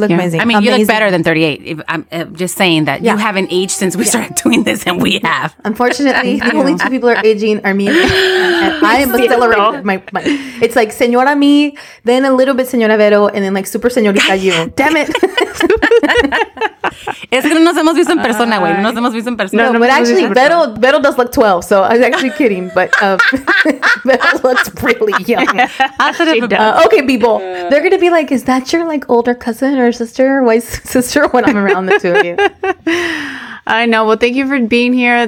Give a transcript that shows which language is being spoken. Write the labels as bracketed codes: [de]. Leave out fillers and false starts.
[en] Look amazing. I mean, you look better than 38. I'm just saying that you haven't aged since we started doing this, and we have. Unfortunately, the only two people are aging are me and I am accelerating. My, it's like Senora me, then a little bit Senora Vero, and then like super Senorita you. Damn it. [es] Es que no nos hemos visto en persona, güey. No nos hemos visto en persona. [en] No, but actually, Vero does look 12, so I was actually kidding, but Vero looks really young. Okay, people, they're going to be like, is that your like older cousin? Or sister, wife, sister, when I'm around the two of you. I know. Well, thank you for being here.